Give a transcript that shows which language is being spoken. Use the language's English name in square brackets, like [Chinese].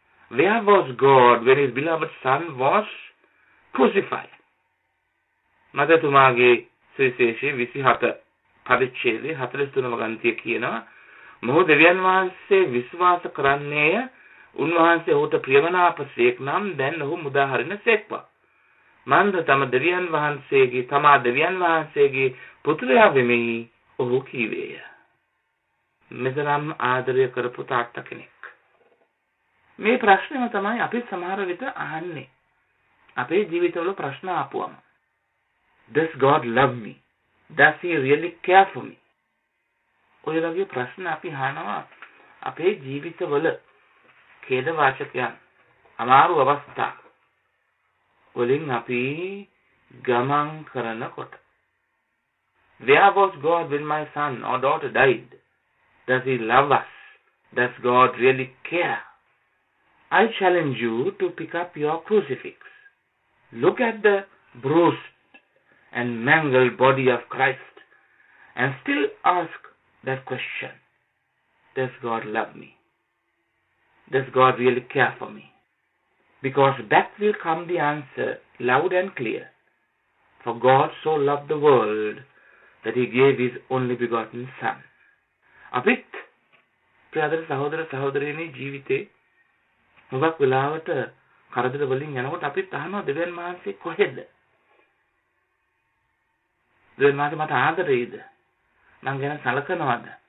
[English] Where was God when his beloved son was crucified? [Sinhala] මතතුමාගේ සුවිශේෂී 27 පරිච්ඡේදයේ 43 වගන්තිය කියනවා, මොහු දෙවියන් වහන්සේ විශ්වාස කරන්නේය. උන්වහන්සේ ඔහුට ප්‍රියමනාපසේක් නම් දැන් ඔහු මුදා හරින සේක්වා. මන්ද තම දෙවියන් වහන්සේගේ තමා දෙවියන් වහන්සේගේ පුත්‍රයා වෙමි ඔහු කීවේය. මෙතරම් ආදරය කරපු තාත්ත කෙනෙක්. මේ ප්‍රශ්නෙම තමයි අපි සමහර විට අහන්නේ. අපේ ජීවිතවල ප්‍රශ්න ආපුවම, [English] Does God love me? Does he really care for me? [Sinhala] ඔය වගේ ප්‍රශ්න අපි අහනවා අපේ ජීවිතවල ඛේදවාචකයන්, අමාරු අවස්ථා වලින් අපි ගමන් කරනකොට. [English] Where was God when my son or daughter died? Does he love us? Does God really care? I challenge you to pick up your crucifix. Look at the bruised and mangled body of Christ and still ask that question, Does God love me? Does God really care for me? Because back will come the answer loud and clear. For God so loved the world that he gave his only begotten son. [Sinhala] Apit, priyadara sahodara sahodarini jeevite, mubak vilavata කරදර වලින් යනකොට අපි තහනවා දෙවියන් වහන්සේ කොහෙද? දෙවියන් වහන්සේ මට ආදරෙයිද? මං ගැන සලකනවද?